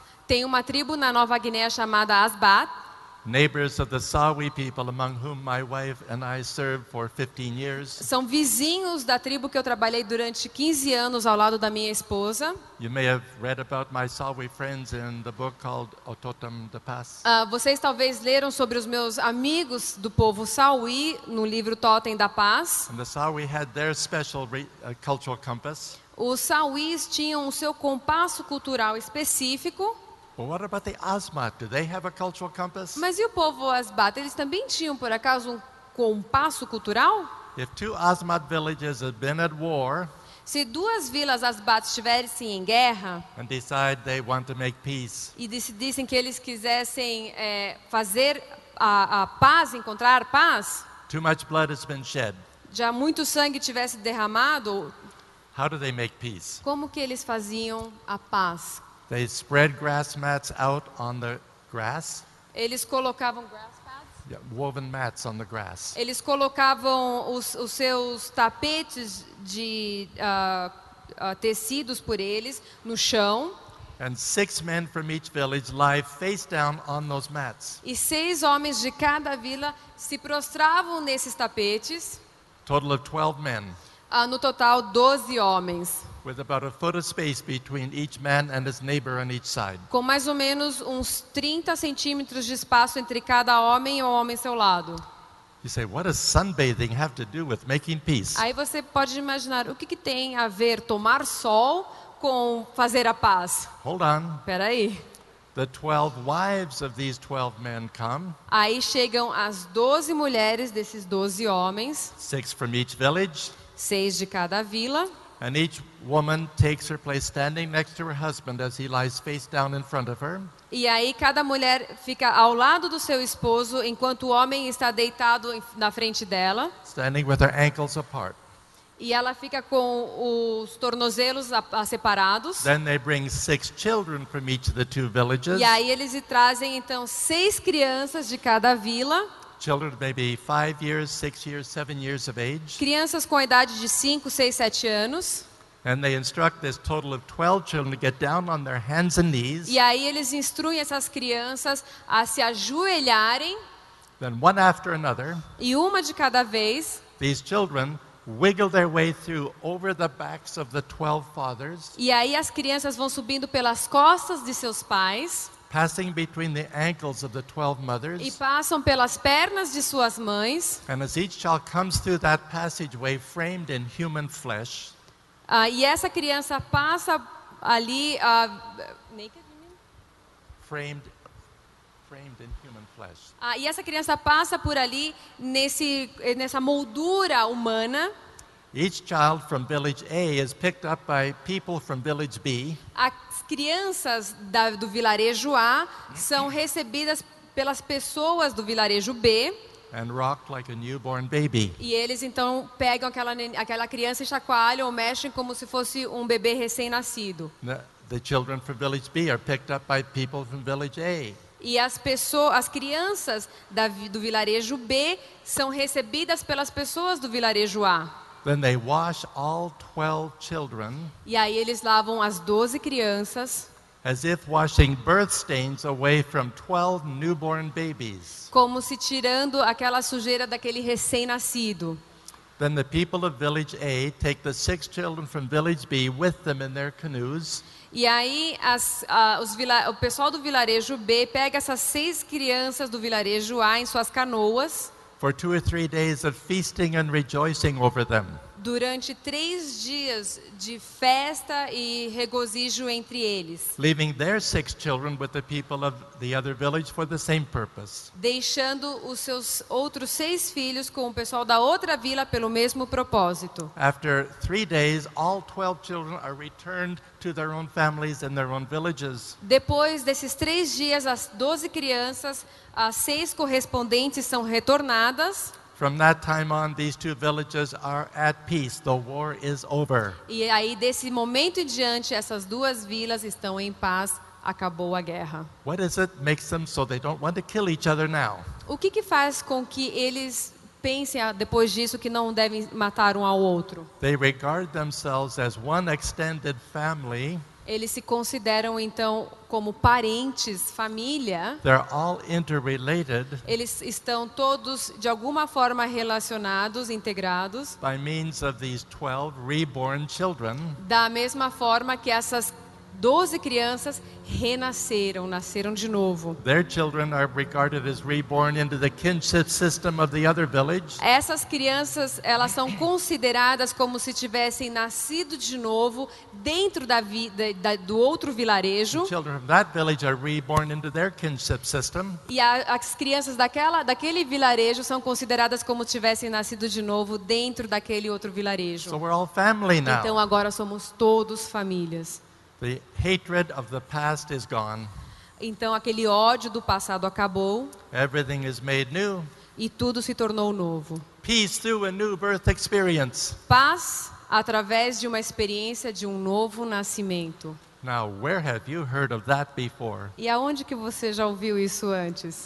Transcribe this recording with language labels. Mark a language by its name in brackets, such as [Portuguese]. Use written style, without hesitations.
[Portuguese] Tem uma tribo na Nova Guiné chamada Asmat. [English] Neighbors of the Sawi people, among whom my wife and I served for 15 years. [Portuguese] São vizinhos da tribo que eu trabalhei durante 15 anos ao lado da minha esposa. [English] You may have read about my Sawi friends in the book called Ototam de Paz. [Portuguese] Vocês talvez leram sobre os meus amigos do povo Sawi no livro Totem da Paz. [English] And the Sawi had their special cultural compass. [Portuguese] Os Sawis tinham o seu compasso cultural específico. [English] But what about the Asmat? Do they have a cultural compass? [Portuguese] Mas e o povo Asmat? Eles também tinham, por acaso, um compasso cultural? [English] If two Asmat villages had been at war, [Portuguese] se duas vilas Asmat estivessem em guerra, [English] and decide they want to make peace, [Portuguese] e decidissem que eles quisessem fazer a paz, encontrar paz, [English] too much blood has been shed. [Portuguese] Já muito sangue tivesse derramado, [English] how do they make peace? [Portuguese] Como que eles faziam a paz? [English] They spread grass mats out on the grass. [Portuguese] Eles colocavam [English] grass pads. Yeah, woven mats on the grass. [Portuguese] Eles colocavam os seus tapetes de tecidos por eles no chão. [English] And six men from each village lie face down on those mats. [Portuguese] E seis homens de cada vila se prostravam nesses tapetes. [English] Total of 12 men. [Portuguese] No total, 12 homens. [English] With about a foot of space between each man and his neighbor on each side. [Portuguese] Com mais ou menos uns 30 centímetros de espaço entre cada homem e o homem ao seu lado. [English] You say, what does sunbathing have to do with making peace? [Portuguese] Aí você pode imaginar o que tem a ver tomar sol com fazer a paz. [English] Hold on. [Portuguese] Espera aí. [English] The 12 wives of these 12 men come. [Portuguese] Aí chegam as 12 mulheres desses 12 homens. [English] Six from each village. [Portuguese] Seis de cada vila. [English] And each woman takes her place standing next to her husband as he lies face down in front of her. [Portuguese] E aí cada mulher fica ao lado do seu esposo enquanto o homem está deitado na frente dela. [English] Standing with her ankles apart. [Portuguese] E ela fica com os tornozelos separados. [English] Then they bring six children from each of the two villages. [Portuguese] E aí eles trazem então seis crianças de cada vila. [English] Children maybe 5 years, 6 years, 7 years of age. [Portuguese] Crianças com a idade de 5, 6, 7 anos. [English] And they instruct this total of 12 children to get down on their hands and knees. [Portuguese] E aí eles instruem essas crianças a se ajoelharem. [English] Then one after another. [Portuguese] E uma de cada vez. [English] These children wiggle their way through over the backs of the 12 fathers. [Portuguese] E aí as crianças vão subindo pelas costas de seus pais. [English] Passing between the ankles of the 12 mothers. [Portuguese] E passam pelas pernas de suas mães. [English] And as each child comes through that passageway framed in human flesh. [Portuguese] E essa criança passa ali [English] naked, you mean? Framed in human flesh. [Portuguese] E essa criança passa por ali nessa moldura humana. [English] Each child from village A is picked up by people from village B. [Portuguese] As crianças do vilarejo A são recebidas pelas pessoas do vilarejo B. [English] And rocked like a newborn baby. [Portuguese] E eles então pegam aquela criança e chacoalham ou mexem como se fosse um bebê recém-nascido. [English] The children from village B are picked up by people from village A. [Portuguese] E as crianças do vilarejo B são recebidas pelas pessoas do vilarejo A. [English] Then they wash all 12 children. [Portuguese] E aí eles lavam as 12 crianças. [English] As if washing birth stains away from 12 newborn babies. [Portuguese] Como se tirando aquela sujeira daquele recém-nascido. [English] Then the people of village A take the six children from village B with them in their canoes. [Portuguese] E aí o pessoal do vilarejo B pega essas seis crianças do vilarejo A em suas canoas. [English] For 2 or 3 days of feasting and rejoicing over them. [Portuguese] Durante 3 dias de festa e regozijo entre eles. [English] Leaving their 6 children with the people of the other village for the same purpose. [Portuguese] Deixando os seus outros 6 filhos com o pessoal da outra vila pelo mesmo propósito. [English] After 3 days, all 12 children are returned to their own families and their own villages. [Portuguese] Depois desses 3 dias, as 12 crianças, as 6 correspondentes são retornadas. [English] From that time on, these two villages are at peace. The war is over. [Portuguese] E aí, desse momento em diante, essas duas vilas estão em paz. Acabou a guerra. [English] What is it makes them so they don't want to kill each other now? [Portuguese] O que faz com que eles pensem depois disso que não devem matar ao outro? [English] They regard themselves as one extended family. [Portuguese] Eles se consideram então como parentes, família. [English] They're all interrelated. [Portuguese] Eles estão todos de alguma forma relacionados, integrados. [English] By means of these 12 reborn children. [Portuguese] Da mesma forma que essas 12 crianças renasceram, nasceram de novo. [English] Their children are regarded as reborn into the kinship system of the other village. [Portuguese] Essas crianças, elas são consideradas como se tivessem nascido de novo dentro da vida do outro vilarejo. [English] The children of that village are reborn into their kinship system. [Portuguese] E as crianças daquele vilarejo são consideradas como se tivessem nascido de novo dentro daquele outro vilarejo. [English] So we're all family now. [Portuguese] Então agora somos todos famílias. [English] The hatred of the past is gone. [Portuguese] Então aquele ódio do passado acabou. [English] Everything is made new. [Portuguese] E tudo se tornou novo. [English] Peace through a new birth experience. [Portuguese] Paz através de uma experiência de novo nascimento. [English] Now, where have you heard of that before? [Portuguese] E aonde que você já ouviu isso antes?